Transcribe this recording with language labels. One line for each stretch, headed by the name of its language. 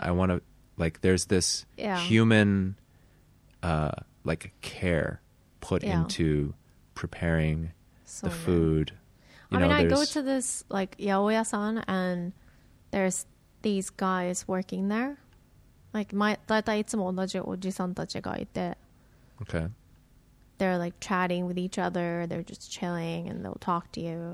English: I want to, like, there's this human, like, care put into preparing the food. You know, I go to this, like, yaoya-san, and there's these guys working there.
Japanese: Like, だいたいいつも同じおじさんたちがいて。
English: Okay. They're, like, chatting with each other. They're just chilling, and they'll talk to you.